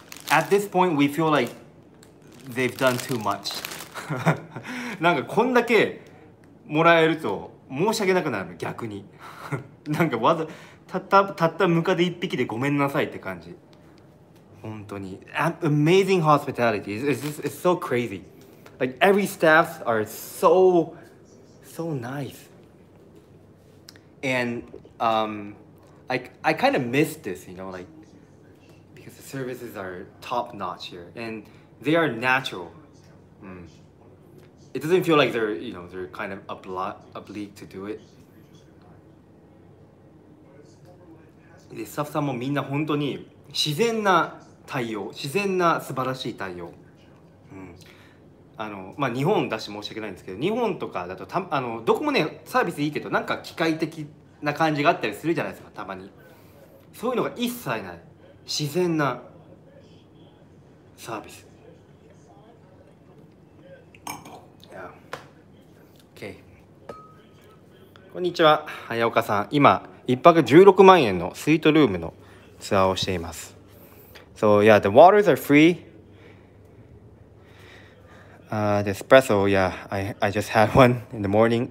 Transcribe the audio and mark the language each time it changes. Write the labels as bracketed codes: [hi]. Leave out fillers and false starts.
[en] At this point, we feel like they've done too much. [ja] なんかこんだけもらえると申し訳なくなる、逆に。なんかわざたったムカデ一匹でごめんなさいって感じ。本当に [en] amazing hospitality. It's so crazy. Like every staff are so, so nice. And I kind of miss this, you know, like, because the services are top notch here and they are natural. Mm. It doesn't feel like they're, you know, they're kind of oblique to do it. [ja] で、スタッフさんもみんな本当に自然な対応、自然な素晴らしい対応。うん、あの、まあ日本だし申し訳ないんですけど、日本とかだとあのどこもね、サービスいいけど、なんか機械的な感じがあったりするじゃないですか、たまに。そういうのが一切ない。自然なサービス。 [en] Yeah. Okay. [ja] こんにちは、早岡さん。今1泊16万円のスイートルームのツアーをしています。 [en] So yeah, the waters are free. The espresso, yeah, I just had one in the morning.